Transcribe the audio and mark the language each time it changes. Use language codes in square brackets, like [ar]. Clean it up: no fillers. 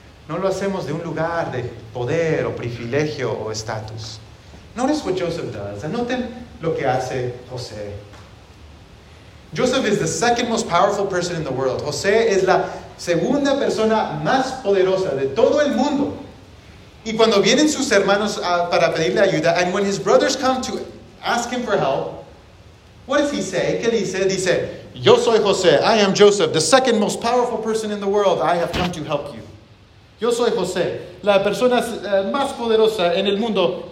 [es] No lo hacemos de un lugar de poder o privilegio o estatus. [en] Notice what Joseph does. [es] Anoten lo que hace José. [en] Joseph is the second most powerful person in the world. [es] José es la segunda persona más poderosa de todo el mundo. Y cuando vienen sus hermanos para pedirle ayuda, [en] and when his brothers come to ask him for help, What does he say? [es] ¿Qué dice? Dice, yo soy José. [en] I am Joseph, the second most powerful person in the world. I have come to help you. [es] Yo soy José, la persona más poderosa en el mundo.